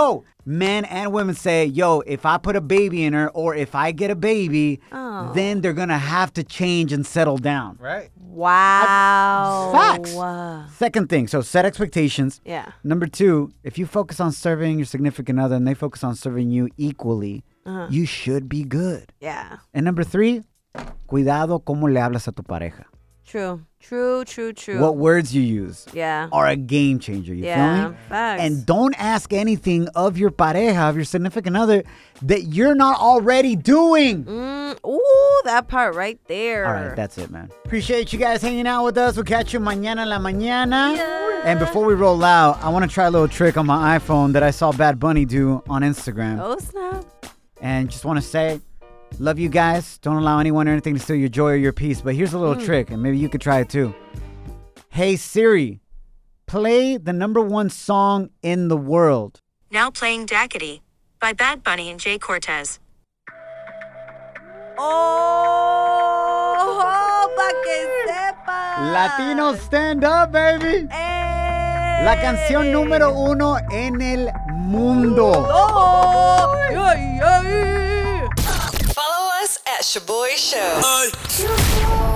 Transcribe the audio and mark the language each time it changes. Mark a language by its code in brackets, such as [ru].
[en] Yo, men and women say, yo, if I put a baby in her or if I get a baby, then they're going to have to change and settle down. Right. Wow. Facts. Second thing, so set expectations. Yeah. Number two, if you focus on serving your significant other and they focus on serving you equally, you should be good. Yeah. And number three, [es] cuidado cómo le hablas a tu pareja. [en] True. What words you use are a game changer, you feel me? Yeah, facts. And don't ask anything of your pareja, of your significant other, that you're not already doing. That part right there. All right, that's it, man. Appreciate you guys hanging out with us. We'll catch you [es] mañana la mañana. [en] Yeah. And before we roll out, I want to try a little trick on my iPhone that I saw Bad Bunny do on Instagram. Oh, snap. And just want to say, Love you guys. Don't allow anyone or anything to steal your joy or your peace. But here's a little trick, and maybe you could try it too. Hey, Siri, play the number one song in the world. Now playing Dackity by Bad Bunny and Jay Cortez. [es] Oh, pa que sepa. [en] Latino, stand up, baby. [es] La canción número uno en el mundo. [en] Oh, yeah. Follow us at Shaboy Show.